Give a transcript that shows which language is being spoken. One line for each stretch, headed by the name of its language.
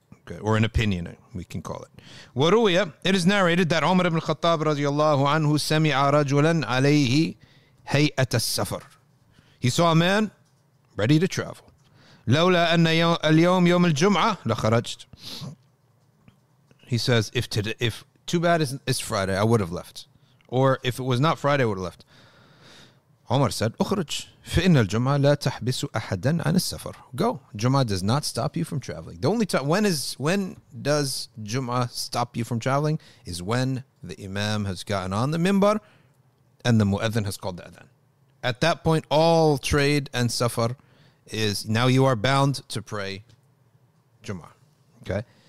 English: Okay, or an opinion, we can call it.
Arabic: وَرُوِيَ
English: It is narrated that Umar ibn Khattab radiallahu anhu
Arabic: سَمِعَ رَجُلًا عَلَيْهِ هَيْئَةَ السَّفَرِ
English: He saw a man ready to travel.
Arabic: لَوْلَا أَنَّ الْيَوْمْ يَوْمِ الْجُمْعَةِ لَخَرَجْتُ
English: He says, if too bad it's Friday, I would have left. Or if it was not Friday, I would have left. Umar said,
Arabic: أخرج فإن الجمعة لا تحبس أحدا عن السفر.
English: Go. Jum'ah does not stop you from traveling. The only time, when does Jum'ah stop you from traveling is when the Imam has gotten on the minbar and the Mu'adhan has called the Adhan. At that point, all trade and safar is, now you are bound to pray Jum'ah. Okay?